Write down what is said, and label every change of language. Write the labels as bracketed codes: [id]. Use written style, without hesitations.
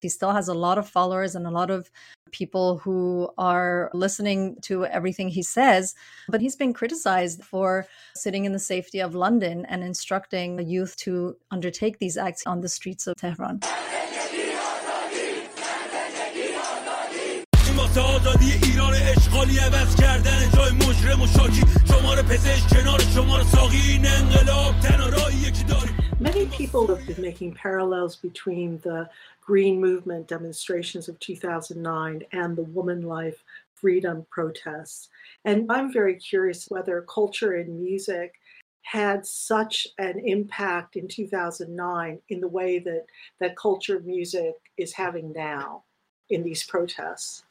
[en] He still has a lot of followers and a lot of people who are listening to everything he says. But he's been criticized for sitting in the safety of London and instructing the youth to undertake these acts on the streets of Tehran. [fa] آزادی ایران اشغالی عوض کردن جای مجرم و شاکی شما رو پزشک کنار شما رو ساقی این انقلاب تنها راهی که داریم. [en] Many people have been making parallels between the green movement demonstrations of 2009 and the woman life freedom protests, and I'm very curious whether culture and music had such an impact in 2009 in the way that culture music is having now in these protests.